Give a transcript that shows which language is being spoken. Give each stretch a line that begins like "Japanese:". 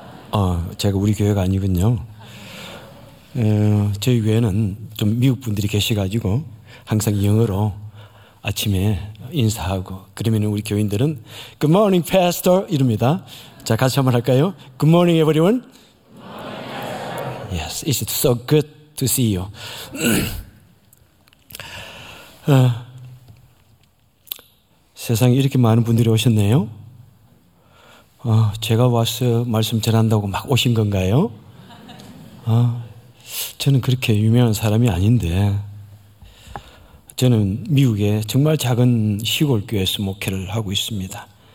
Korean: 아, 제가 우리 교회가 아니군요. 저희 교회는 좀 미국 분들이 계셔가지고 항상 영어로 아침에 인사하고 그러면 우리 교인들은
English: Good morning, Pastor
Korean: 이릅니다. 자, 같이 한번 할까요?
English: Good morning, everyone. Good morning, Pastor. Yes, it's so good to see you.
Korean: 세상에 이렇게 많은 분들이 오셨네요. 제가 와서 말씀 전한다고 막 오신 건가요? 저는 그렇게 유명한 사람이 아닌데 저는 미국의 정말 작은 시골교회에서 목회를 하고 있습니다.